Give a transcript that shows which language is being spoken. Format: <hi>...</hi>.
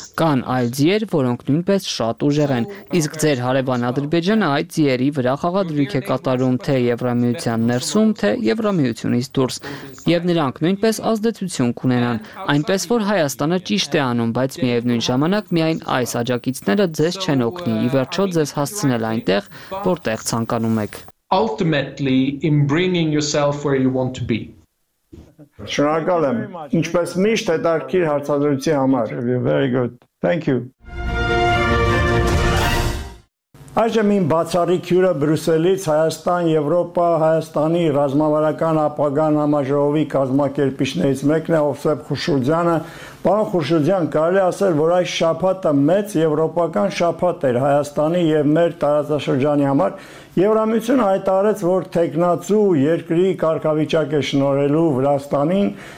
<hy>կան այլ ձիեր, որոնք նույնպես շատ ուժեղ են, իսկ ձեր հարևան Ադրբեջանը այդ ձիերի վրա խաղադրույք է կատարում, թե Եվրամիության ներսում, թե Եվրամիությունից դուրս, եւ նրանք նույնպես ազդեցություն կունենան, այնպես որ Հայաստանը ճիշտ է անում, բայց միևնույն ժամանակ միայն այս աջակիցները ձեզ չեն օգնի ի վերջո ձեզ հասցնել այնտեղ, որտեղ անկանում եք</hy> <en>ultimately in bringing yourself where you want to be.</en> <hy>Շնորհակալ եմ, ինչպես միշտ հետաքրքիր հարցազրույցի համար։</hy> <en>Very good. Thank you.</en> <hy>Այժմ իմ բացառիկ հյուրը Բրյուսելից Հայաստան-Եվրոպա Հայաստանի ռազմավարական ապագան համաժողովի կազմակերպիչներից մեկն է Օֆսեփ Խուշուրջյանը։ Պարոն Խուշուրջյան, կարելի ասել, որ այս շաբաթը մեծ եվրոպական շաբաթ էր Հայաստանի եւ մեր տարածաշրջանի համար։ Եվրամիությունը հայտարարեց, որ թեկնածու երկրի կարգավիճակ է շնորհելու Վրաստանին,</hy>